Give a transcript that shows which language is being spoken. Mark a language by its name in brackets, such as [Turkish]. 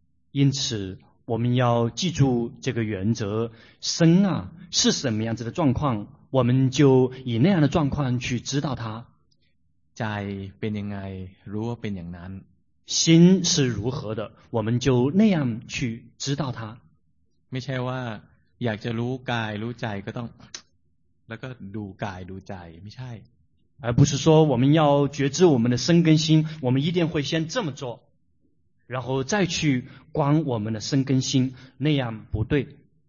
[Chinese] 因此我们要记住这个原则身啊是什么样子的状况我们就以那样的状况去知道它 [Thai] ใจเป็นยังไงรู้ว่าเป็นอย่างนั้น [Chinese] 心是如何的我们就那样去知道它 [Thai] ไม่ใช่ว่าอยากจะรู้กายรู้ใจก็ต้องแล้วก็ดูกายดูใจไม่ใช่ [Chinese] 而不是说我们要觉知我们的身跟心我们一定会先这么做然后再去观我们的身跟心那样不对